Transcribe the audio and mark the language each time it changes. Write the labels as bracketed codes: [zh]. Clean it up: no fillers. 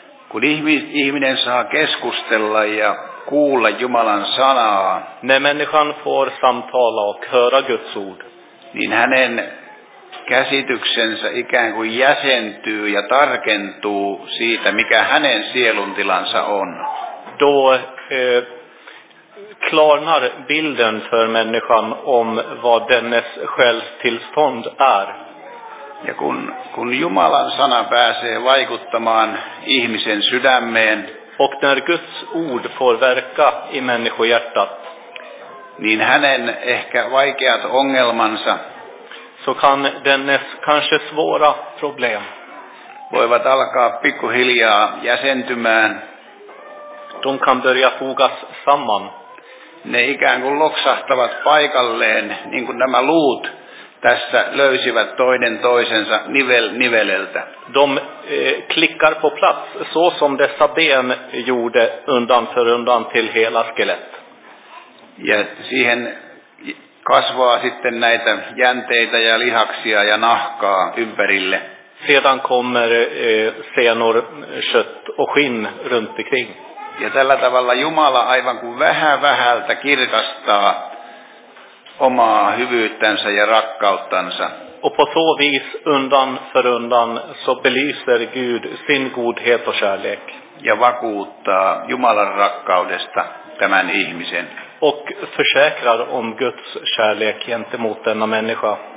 [fi] Kun ihminen saa keskustella ja kuulla Jumalan sanaa. [sv] När människan får samtala och höra Guds ord. [fi] Niin hänen käsityksensä ikään kuin jäsentyy ja tarkentuu siitä, mikä hänen sieluntilansa on. [sv] Då klarnar bilden för människan om vad dennes själstillstånd är. [fi] Ja kun Jumalan sana pääsee vaikuttamaan ihmisen sydämeen. [sv] Och när Guds ord får verka i människohjärtat. [fi] Niin hänen ehkä vaikeat ongelmansa. [sv] Så kan dennes kanske svåra problem. [fi] Voivat alkaa pikkuhiljaa jäsentymään. [sv] De kan börja fogas samman. [fi] Ne ikään kuin loksahtavat paikalleen, niin kuin nämä luut tässä löysivät toinen toisensa niveleltä. [sv] De klickar på plats, så som dessa ben gjorde undan för undan till hela skelett. [fi] Ja siihen kasvaa sitten näitä jänteitä ja lihaksia ja nahkaa ympärille. [sv] Sedan kommer senor, kött och skinn runt omkring. [fi] Ja tällä tavalla Jumala aivan kuin vähän vähältä kirkastaa omaa hyvyyttänsä ja rakkauttansa. [sv] Och på så vis undan för undan så belyser Gud sin godhet och kärlek. [fi] Ja vakuuttaa Jumalan rakkaudesta tämän ihmisen. [sv] Och försäkrar om Guds kärlek gentemot denna människa.